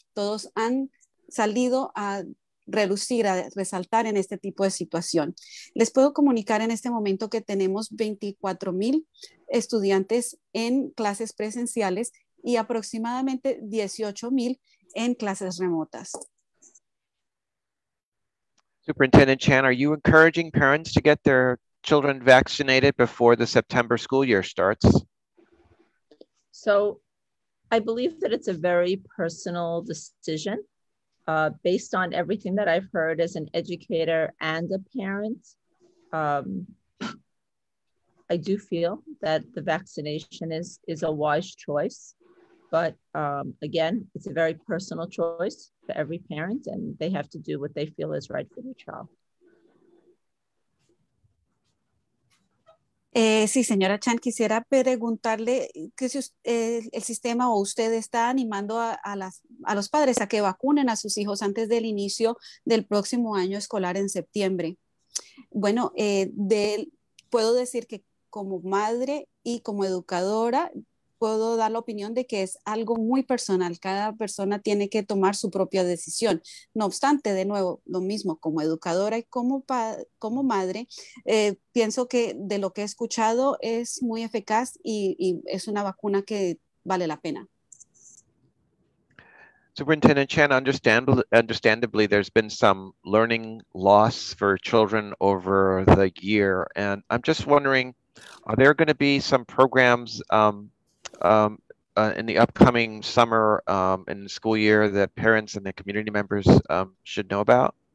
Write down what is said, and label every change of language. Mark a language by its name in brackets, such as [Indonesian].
[Spanish] Todos han salido a relucir, a resaltar en este tipo de situación. Les puedo comunicar en este momento que tenemos 24,000 estudiantes en clases presenciales y aproximadamente 18,000 en clases remotas. [English] Superintendent Chan, are you encouraging parents to get their children vaccinated before the September school year starts? So I believe that it's a very personal decision. Based on everything that I've heard as an educator and a parent, I do feel that the vaccination is a wise choice. But again, it's a very personal choice for every parent, and they have to do what they feel is right for their child. [Spanish] Sí, señora Chan, quisiera preguntarle que si el sistema o usted está animando a los padres a que vacunen a sus hijos antes del inicio del próximo año escolar en septiembre. Bueno, puedo decir que como madre y como educadora, puedo dar la opinión de que es algo muy personal. Cada persona tiene que tomar su propia decisión. No obstante, de nuevo, lo mismo como educadora y como madre, pienso que de lo que he escuchado es muy eficaz y es una vacuna que vale la pena. [English] Superintendent Chan, understandably, there's been some learning loss for children over the year. And I'm just wondering, are there going to be some programs in the upcoming summer in the school year that parents and the community members should know about?